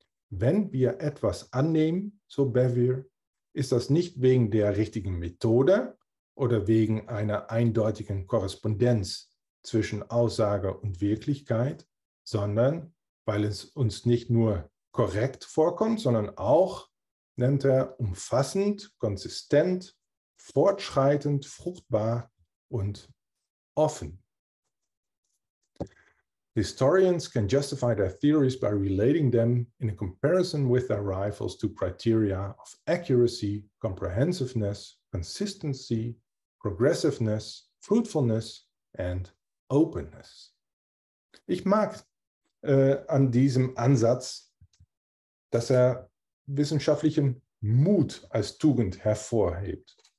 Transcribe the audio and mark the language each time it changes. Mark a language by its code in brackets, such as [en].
[de] Wenn wir etwas annehmen, so Bevere, ist das nicht wegen der richtigen Methode oder wegen einer eindeutigen Korrespondenz zwischen Aussage und Wirklichkeit, sondern weil es uns nicht nur korrekt vorkommt, sondern auch, nennt er, umfassend, konsistent, fortschreitend, fruchtbar und offen. [en] Historians can justify their theories by relating them in a comparison with their rivals to criteria of accuracy, comprehensiveness, consistency, progressiveness, fruitfulness and openness. [de] Ich mag an diesem Ansatz, dass er wissenschaftlichen Mut als Tugend hervorhebt.